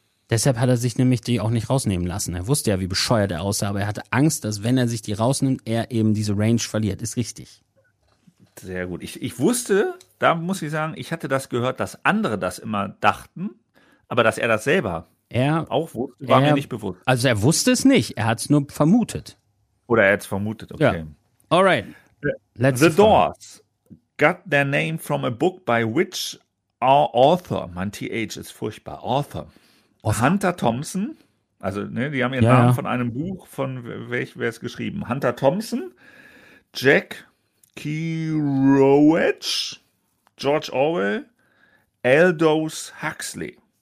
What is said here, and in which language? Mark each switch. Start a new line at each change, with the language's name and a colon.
German: Deshalb hat er sich nämlich die auch nicht rausnehmen lassen. Er wusste ja, wie bescheuert er aussah, aber er hatte Angst, dass wenn er sich die rausnimmt, er eben diese Range verliert. Ist richtig. Sehr gut. Ich wusste, da muss ich sagen, ich hatte das gehört, dass andere das immer dachten, aber dass er das selber auch wusste, war mir nicht bewusst. Also er wusste es nicht, er hat es nur vermutet. Oder er hat es vermutet, okay. Ja.
English: Alright. Let's The Doors got their name from a book by which author?
German: Mein TH ist furchtbar. Author. Hunter Thompson. Also, ne, die haben ihren Namen von einem Buch, von welchem wäre es geschrieben? Hunter Thompson, Jack Kerouac, George Orwell, Aldous Huxley.